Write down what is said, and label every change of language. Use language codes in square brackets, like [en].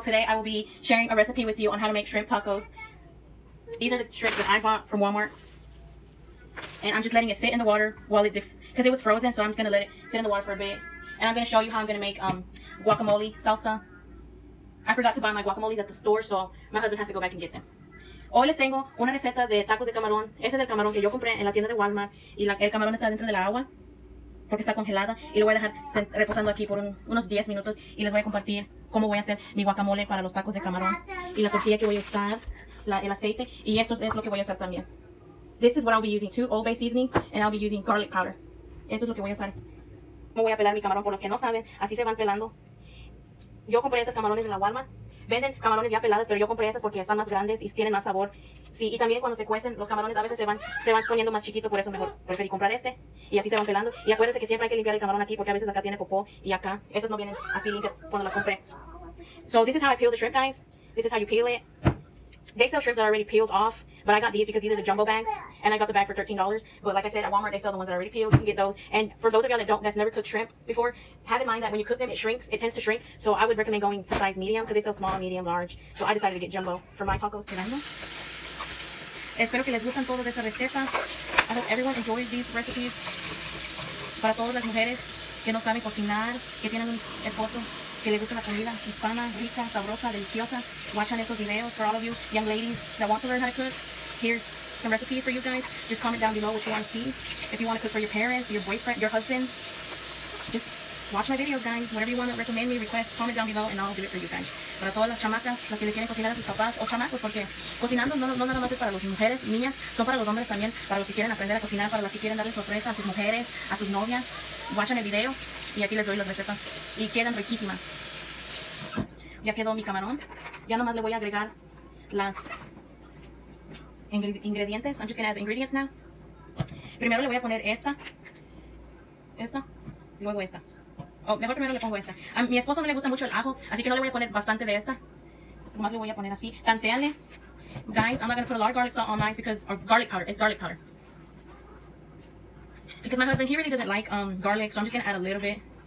[en] Today I will be sharing a recipe with you on how to make shrimp tacos. These are the shrimp that I bought from Walmart. And I'm just letting it sit in the water while it, because it was frozen, so I'm just gonna let it sit in the water for a bit. And I'm gonna show you how I'm gonna make guacamole salsa. I forgot to buy my guacamoles at the store, so my husband has to go back and get them. [es] Hoy les tengo una receta de tacos de camarón. Este es el camarón que yo compré en la tienda de Walmart. Y el camarón está dentro de la agua, porque está congelada, y lo voy a dejar reposando aquí por unos 10 minutos y les voy a compartir cómo voy a hacer mi guacamole para los tacos de camarón y la tortilla que voy a usar, el aceite, y esto es lo que voy a usar también. [en] This is what I'll be using too, Old Bay seasoning, and I'll be using garlic powder. [es] Esto es lo que voy a usar. Me voy a pelar mi camarón, por los que no saben, así se van pelando. Yo compré estos camarones en la Walmart. Venden camarones ya pelados, pero yo compré estos porque están más grandes y tienen más sabor. Sí, y también cuando se cuecen, los camarones a veces se van poniendo más chiquitos, por eso mejor preferí comprar este. Y así se van pelando. Y acuérdense que siempre hay que limpiar el camarón aquí, porque a veces acá tiene popó y acá. Estos no vienen así limpios cuando las compré. [en] So this is how I peel the shrimp, guys. This is how you peel it. They sell shrimps that are already peeled off, but I got these because these are the jumbo bags. And I got the bag for $13. But like I said, at Walmart, they sell the ones that are already peeled. You can get those. And for those of y'all that's never cooked shrimp before, have in mind that when you cook them, it shrinks. It tends to shrink. So I would recommend going to size medium because they sell small, medium, large. So I decided to get jumbo for my tacos. [es] Espero que les gusten todas estas recetas. [en] I hope everyone enjoys these recipes. [es] Para todas las mujeres que no saben cocinar, que tienen un esposo que les gusta la comida hispana, rica, sabrosa, deliciosa, watching estos videos. [en] For all of you young ladies that want to learn how to cook, here's some recipes for you guys. Just comment down below what you want to see. If you want to cook for your parents, your boyfriend, your husband, just watch my videos, guys. Whatever you want to recommend me, request, comment down below, and I'll do it for you guys. [es] Para todas las chamacas, las que le quieren cocinar a sus papás, o chamacos, porque cocinando no nada más es para las mujeres, niñas, son para los hombres también, para los que quieren aprender a cocinar, para las que quieren darle sorpresa a sus mujeres, a sus novias, watchan el video, y aquí les doy las recetas, y quedan riquísimas. Ya quedó mi camarón, ya nomás le voy a agregar las ingredientes. [en] I'm just gonna add the ingredients now. [es] Primero le voy a poner esta, luego esta. Mejor primero le pongo esta. A mi esposo no le gusta mucho el ajo, así que no le voy a poner bastante de esta. Nomás le voy a poner así. Tanteale. [en] Guys, I'm not gonna put a lot of garlic salt on mine because, or garlic powder, it's garlic powder. Because my husband, he really doesn't like garlic, so I'm just gonna add a little bit.